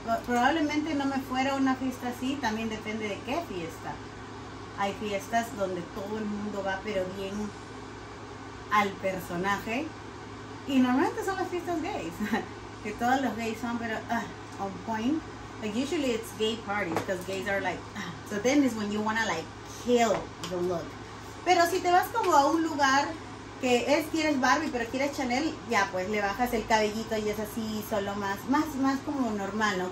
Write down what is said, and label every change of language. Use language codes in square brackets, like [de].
[es] Probablemente no me fuera a una fiesta así, también depende de qué fiesta. Hay fiestas donde todo el mundo va, pero bien al personaje, y normalmente son las fiestas gays, que todos los gays son, pero [en] on point. Like, usually it's gay parties, because gays are like, so then is when you want to like kill the look. [es] Pero si te vas como a un lugar que es, quieres Barbie, pero quieres Chanel, ya pues le bajas el cabellito y es así, solo más como normal, ¿no?